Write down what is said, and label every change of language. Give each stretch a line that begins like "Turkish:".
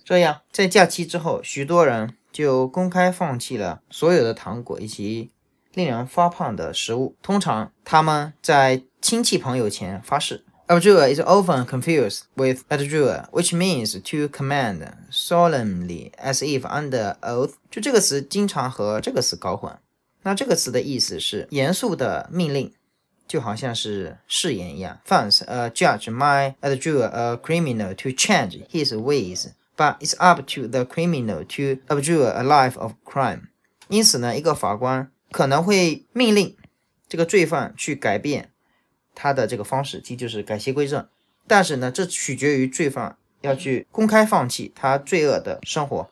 Chinese: 这样，在假期之后，许多人就公开放弃了所有的糖果以及令人发胖的食物。通常，他们在亲戚朋友前发誓。
English: Abjure is often confused with adjure, which means to command solemnly as if under oath.
Chinese: 就这个词经常和这个词搞混。那这个词的意思是严肃的命令，就好像是誓言一样。
English: Fans, a judge might adjure a criminal to change his ways, but it's up to the criminal to abjure a life of crime.
Chinese: 因此呢，一个法官可能会命令这个罪犯去改变他的这个方式，即就是改邪归正，但是呢，这取决于罪犯要去公开放弃他罪恶的生活。